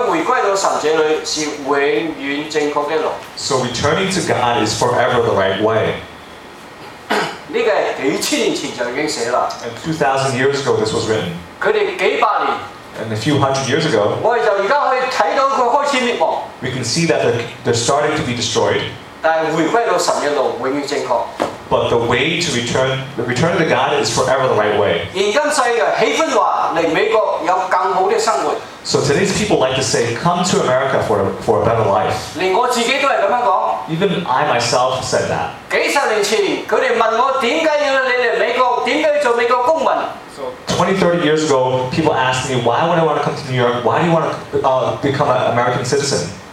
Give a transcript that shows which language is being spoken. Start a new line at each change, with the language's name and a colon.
Chinese: 悔改回歸到神者裏是永遠正確的路。
English: So returning to God is forever the right way.
Chinese: 這個是幾千年前就已經寫了。
English: And 2,000 years ago this was written.
Chinese: 他們幾百年。
English: And a few hundred years ago.
Chinese: 我們就現在可以看到它開始滅亡。
English: We can see that they're starting to be destroyed.
Chinese: 但回歸到神的路永遠正確。
English: But the way to return, the return to God is forever the right way.
Chinese: 現今世界喜歡說來美國有更好的生活。
English: So today's people like to say, come to America for a better life.
Chinese: 連我自己都是這樣說。
English: Even I myself said that.
Chinese: 幾十年前，他們問我點解要你嚟美國，點解要做美國公民。
English: 20, 30 years ago, people asked me, why would I want to come to New York? Why do you want to become an American citizen?